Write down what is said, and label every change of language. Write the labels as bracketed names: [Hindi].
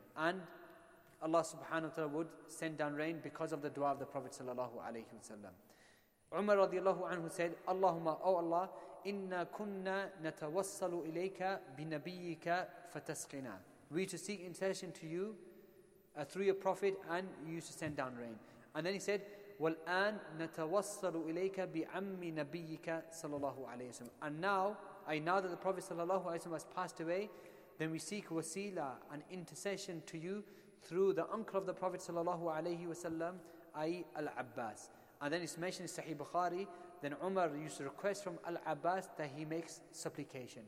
[English] And Allah subhanahu wa ta'ala would send down rain because of the dua of the Prophet sallallahu alayhi wasallam. [Arabic] Umar radiallahu anhu said, Allahumma, [English] O Allah, [Arabic] inna kunna natawassalu ilayka binabiyika fatasqina. [English] We to seek intercession to you through your Prophet, and you used to send down rain. And then he said, [Arabic] وَالْآنْ نَتَوَصَّلُ إِلَيْكَ بِعَمِّ نَبِيِّكَ صَلَى اللَّهُ عَلَيْهِ وسلم. [English] And now that the Prophet [Arabic] صلى الله عليه وسلم [English] has passed away, then we seek wasila and intercession to you through the uncle of the Prophet صلى الله عليه وسلم, i.e. Al-Abbas. And then it's mentioned in Sahih Bukhari, then Umar used to request from Al-Abbas that he makes supplication.